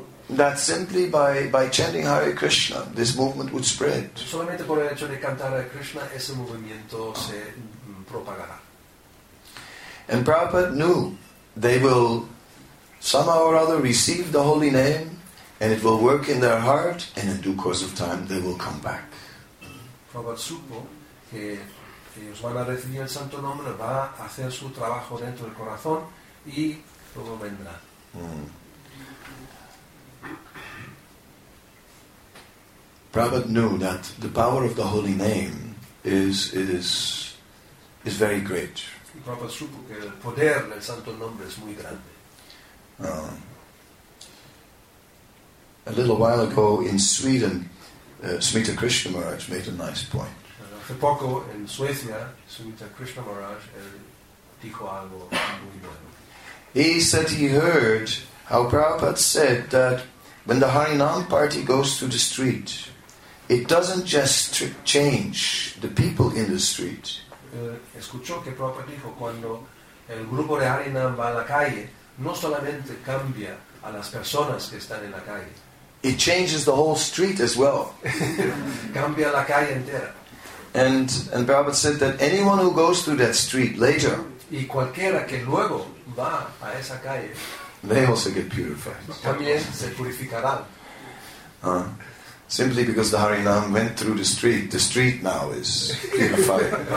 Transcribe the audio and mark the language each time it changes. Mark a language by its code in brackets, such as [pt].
[en] That simply by chanting Hare Krishna, this movement would spread. [es] Solamente por el hecho de cantar a Krishna, ese movimiento se propagará. [en] And Prabhupada knew they will somehow or other receive the holy name, and it will work in their heart, and in due course of time they will come back. [es] Prabhupada supo que ellos van a recibir el santo nombre, va a hacer su trabajo dentro del corazón, y luego vendrá. [en] Prabhupada knew that the power of the holy name is very great. [es] Prabhupada supo que el poder del santo nombre es muy grande. [en] A little while ago in Sweden, Smita Krishna Maharaj made a nice point. [es] Hace poco en Suecia, Smita Krishna Maharaj dijo algo muy bueno. [en] He said he heard how Prabhupada said that when the Harinam party goes to the street, it doesn't just change the people in the street. [es] Escuchó que Prabhupada dijo cuando el grupo de Harinam va a la calle, no solamente cambia a las personas que están en la calle. [en] It changes the whole street as well. [es] Cambia la calle entera. [en] And Prabhupada said that anyone who goes through that street later, [es] y cualquiera que luego va a esa calle, [en] they also get purified. [es] También se purificarán. [en] Simply because the Harinam went through the street now is purified.